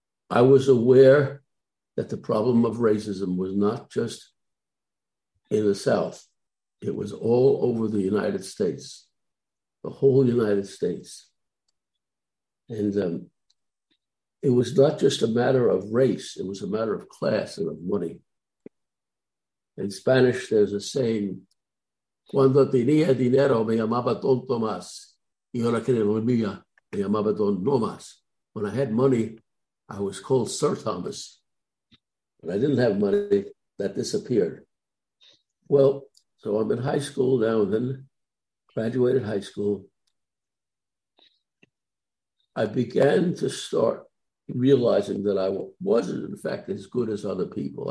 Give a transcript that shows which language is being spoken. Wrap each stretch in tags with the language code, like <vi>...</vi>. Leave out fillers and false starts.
<en>I was aware that the problem of racism was not just in the South. It was all over the United States, the whole United States. And it was not just a matter of race. It was a matter of class and of money. In Spanish, there's a saying,</en> <es>cuando tenía dinero, me llamaba Don Tomás. Y ahora que no tenía, me llamaba Don Tomás.</es> <en>When I had money, I was called Sir Thomas. When I didn't have money, that disappeared. Well, so I'm in high school now, and then graduated high school. I began to start realizing that I wasn't, in fact, as good as other people.</en>